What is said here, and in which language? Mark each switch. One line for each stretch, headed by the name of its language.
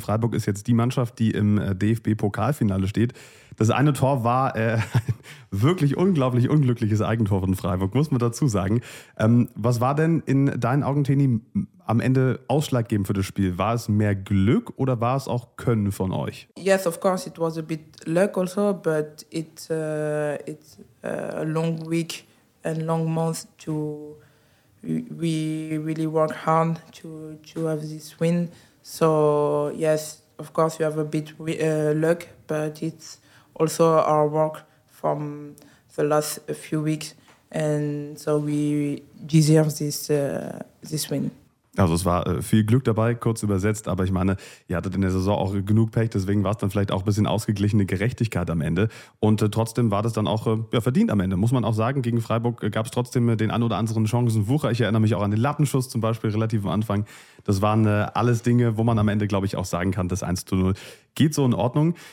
German: Freiburg ist jetzt die Mannschaft, die im DFB-Pokalfinale steht. Das eine Tor war ein wirklich unglaublich unglückliches Eigentor von Freiburg, muss man dazu sagen. Was war denn in deinen Augen, Teni, am Ende ausschlaggebend für das Spiel? War es mehr Glück oder war es auch Können von euch?
English: Yes, of course, it was a bit luck also, but it's a long week and long month to... We really work hard to have this win. So yes, of course you have a bit luck, but it's also our work from the last few weeks, and so we deserve this win.
German: Also es war viel Glück dabei, kurz übersetzt, aber ich meine, ihr hattet in der Saison auch genug Pech, deswegen war es dann vielleicht auch ein bisschen ausgeglichene Gerechtigkeit am Ende. Und trotzdem war das dann auch verdient am Ende, muss man auch sagen. Gegen Freiburg gab es trotzdem den ein oder anderen Chancenwucher. Ich erinnere mich auch an den Lattenschuss zum Beispiel relativ am Anfang. Das waren alles Dinge, wo man am Ende, glaube ich, auch sagen kann, das 1:0 geht so in Ordnung.